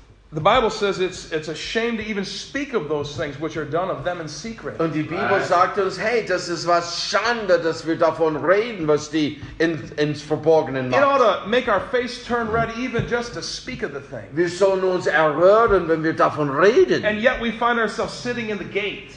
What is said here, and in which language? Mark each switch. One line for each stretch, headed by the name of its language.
English: The Bible says it's a shame to even speak of those things which are done of them in secret.
German: Und die Bibel right. sagt uns, hey, das ist was Schande, dass wir davon reden, was die ins Verborgenen machen.
English: It ought to make our face turn red even just to speak of the thing.
German: Wir sollen uns erröhren, wenn wir davon reden.
English: And yet we find ourselves sitting in the gate.